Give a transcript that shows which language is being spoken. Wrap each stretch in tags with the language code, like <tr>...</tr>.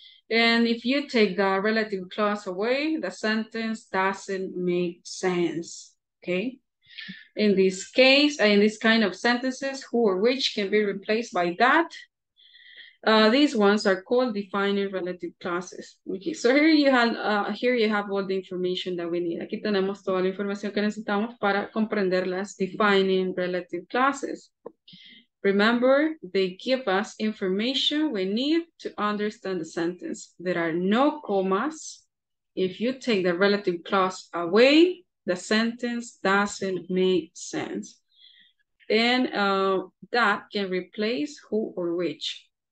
<en>And if you take the relative clause away, the sentence doesn't make sense, okay? In this case, in this kind of sentences, who or which can be replaced by that, these ones are called defining relative clauses. Okay, so here you have all the information that we need.</en> <es>Aquí tenemos toda la información que necesitamos para comprender las defining relative clauses.</es> <en>Remember, they give us information we need to understand the sentence. There are no commas. If you take the relative clause away, the sentence doesn't make sense. And that can replace who or which.</en>